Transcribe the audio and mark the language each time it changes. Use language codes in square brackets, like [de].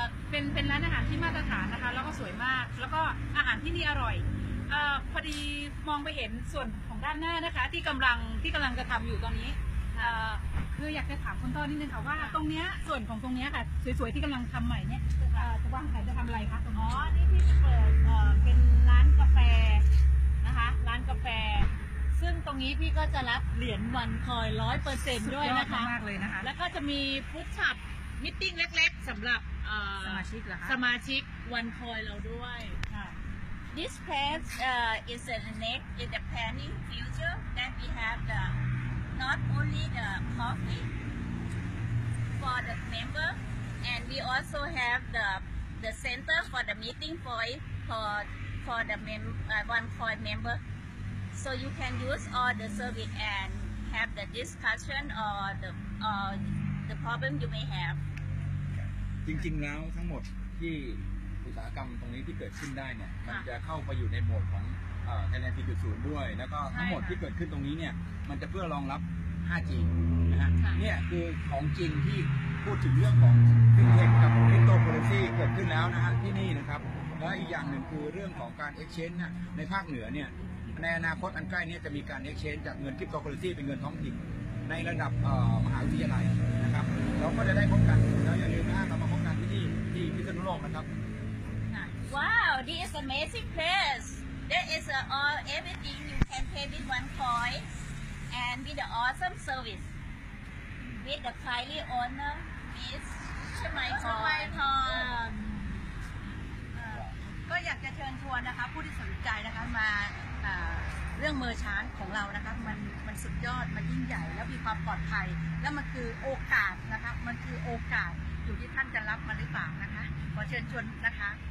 [th] เป็นร้านอาหารที่มาตรฐานนะคะแล้วก็สวยมากแล้วก็อาหารที่นี่อร่อยพอดีมองไปเห็นส่วนของด้านหน้านะคะที่กำลังจะทำอยู่ตอนนี้คืออยากจะถามคุณต้อนิดนึงค่ะว่าตรงนี้ส่วนของตรงนี้ค่ะสวยๆที่กำลังทำใหม่เนี่ยจะว่างใครจะทำอะไรคะตรงนี้อ๋อนี่ที่จะเปิดเป็นร้านกาแฟนะคะร้านกาแฟซึ่งตรงนี้พี่ก็จะรับเหรียญวันคอย 100% ด้วยนะคะ มากเลยนะคะ แล้วก็จะมีฟู้ดช็อปมีตติ้งเล็กๆสำหรับ สมาชิก วันคอยเราด้วย ค่ะ [en] This place is the next in the planning future that we have theNot only the coffee for the member, and we also have the center for the meeting point for the one point member. So you can use all the service and have the discussion or the problem you may have. [th] จริงๆแล้วทั้งหมดที่อุตสาหกรรมตรงนี้ที่เกิดขึ้นได้เนี่ยมันจะเข้าไปอยู่ในโหมดของThailand 4.0 ด้วยแล้วก็ทั้งหมดที่เกิดขึ้นตรงนี้เนี่ยมันจะเพื่อรองรับ 5G นะฮะเนี่ยคือของจริงที่พูดถึงเรื่องของ FinTech กับ Cryptocurrency เกิดขึ้นแล้วนะฮะที่นี่นะครับและอีกอย่างหนึ่งคือเรื่องของการ Exchange นะในภาคเหนือเนี่ยในอนาคตอันใกล้นี้จะมีการ Exchange จากเงิน Cryptocurrency เป็นเงินท้องถิ่นในระดับมหาวิทยาลัยนะครับเราก็จะได้พบกันแล้วอย่าลืมนะเรามาพบกันที่พิษณุโลกนะครับ ว้าว [en] this is amazing placeThere is all everything you can pay with one coin and with the awesome service with the kindly owner is Chamaython [th] ก็อยากจะเชิญชวนนะคะผู้ที่สนใจนะคะมาเรื่องเมอร์ชานของเรานะคะมันสุดยอดมันยิ่งใหญ่แล้วมีความปลอดภัยแล้วมันคือโอกาสนะคะมันคือโอกาสอยู่ที่ท่านจะรับมันหรือเปล่านะคะขอเชิญชวนนะคะ